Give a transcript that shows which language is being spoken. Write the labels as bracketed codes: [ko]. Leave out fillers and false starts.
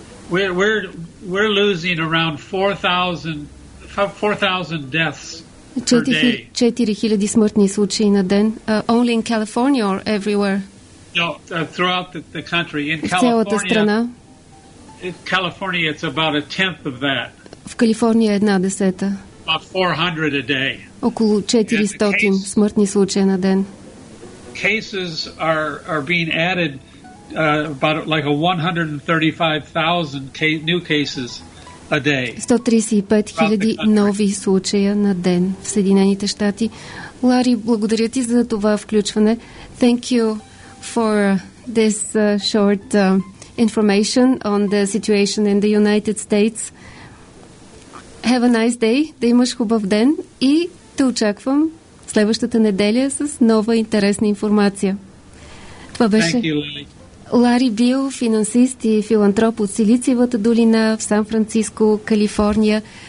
[en] We're losing around 4,000 deaths per day. [bg] 4,000 смъртни случаи на ден. [en] Only in California or everywhere? No, throughout the country. In California, it's about a tenth of that. [bg] В Калифорния една десета. [en] About 400 a day. [bg] Около 400 смъртни случаи на ден. [en] Cases are being added about like a 135,000 new cases a day. [bg] 135,000 нови случая на ден в Съединените щати. Лари, благодаря ти за това включване. [en] Thank you for this short information on the situation in the United States. Have a nice day. [bg] Да имаш хубав ден и те очаквам следващата неделя с нова интересна информация. Това беше Лари Бил, финансист и филантроп от Силициевата долина в Сан-Франциско, Калифорния.